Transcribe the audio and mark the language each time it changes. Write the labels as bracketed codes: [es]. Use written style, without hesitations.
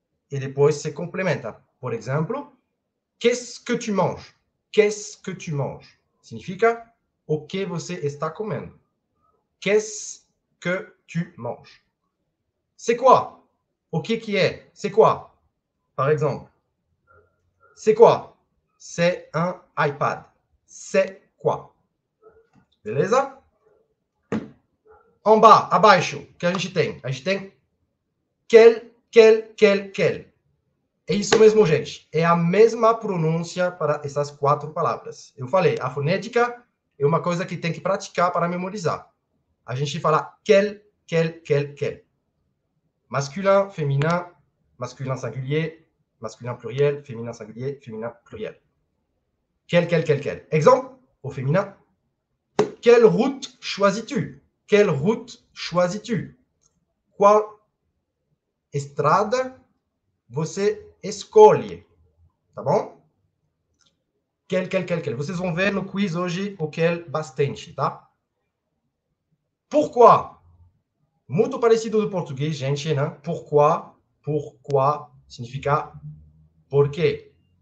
[fr] Et depois, c'est complémentaire. Par exemple, qu'est-ce que tu manges? Qu'est-ce que tu manges? [pt] Significa, o que você está comendo? [fr] Qu'est-ce que tu manges? C'est quoi? O que qui est? C'est quoi? Par exemple, c'est quoi? C'est un iPad. C'est quoi? [pt] Beleza? [fr] En bas, [pt] abaixo, [fr] qu'est-ce que [pt] tem? A gente tem quel. É isso mesmo, gente. É a mesma pronúncia para essas quatro palavras. Eu falei, a fonética é uma coisa que tem que praticar para memorizar. A gente fala quel. [fr] Masculin, féminin, masculin singulier, masculin pluriel, féminin singulier, féminin pluriel. Quel. Exemple, au féminin. Quelle route choisis-tu? Quelle route choisis-tu? [pt] Qual estrada você escolhe? Tá bom? Quel. Vocês vão ver no quiz hoje o quel bastante, tá? Pourquoi? Muito parecido do português, gente, né? Pourquoi? Pourquoi significa por quê?